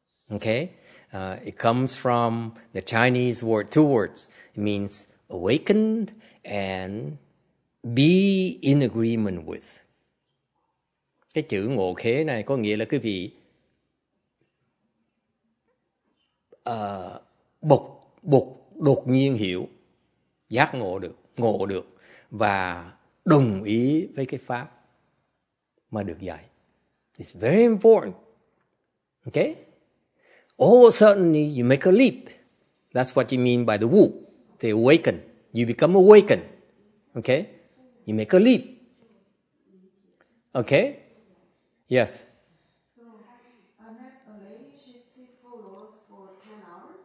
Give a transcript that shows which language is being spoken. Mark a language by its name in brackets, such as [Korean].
[English] Okay, it comes from the Chinese word, two words. It means awakened and be in agreement with. [Vietnamese] Cái chữ ngộ khế này có nghĩa là quý vị bộc đột nhiên hiểu, giác ngộ được và đồng ý với cái pháp mà được dạy. [English] It's very important. Okay? All of a sudden, you make a leap. That's what you mean by the wu. They awaken. You become awakened. Okay? You make a leap. Okay? Yes? So, I met a lady. She's sick for 10 hours.